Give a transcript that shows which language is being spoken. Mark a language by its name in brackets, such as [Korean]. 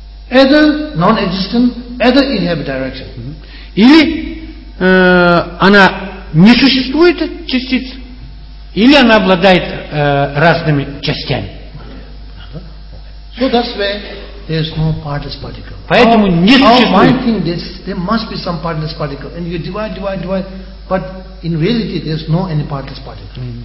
[English] Either non-existent, either it have direction. [Russian] Или она не существует, частиц, или она обладает разными частями. [English] So that's where there is no partless particle. [Russian] Поэтому не существует. [English] How one thing this, there must be some partless particle, and you divide, but in reality there is no any partless particle.